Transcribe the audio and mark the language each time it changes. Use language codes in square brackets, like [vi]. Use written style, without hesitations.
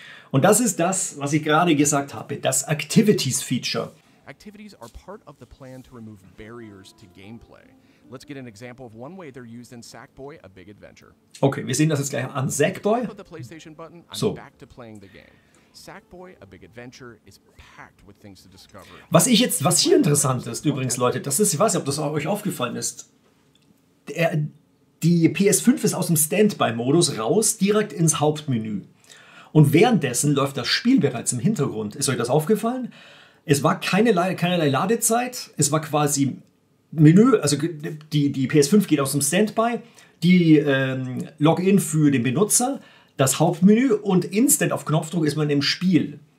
[de] Und das ist das, was ich gerade gesagt habe, das Activities-Feature. [en] Activities are part of the plan to remove barriers to gameplay. Let's get an example of one way they're used in Sackboy: A Big Adventure. [de] Okay, wir sehen das jetzt gleich an Sackboy. [en] So. Back to playing the game. Sackboy: A Big Adventure is packed with things to discover. [de] Was hier interessant ist übrigens, Leute, das ist, ich weiß nicht, ob das euch aufgefallen ist. Die PS5 ist aus dem Standby-Modus raus, direkt ins Hauptmenü. Und währenddessen läuft das Spiel bereits im Hintergrund. Ist euch das aufgefallen? Es war keinerlei Ladezeit. Es war quasi Menü, also die PS5 geht aus dem Standby, die Login für den Benutzer, das Hauptmenü und instant auf Knopfdruck ist man im Spiel.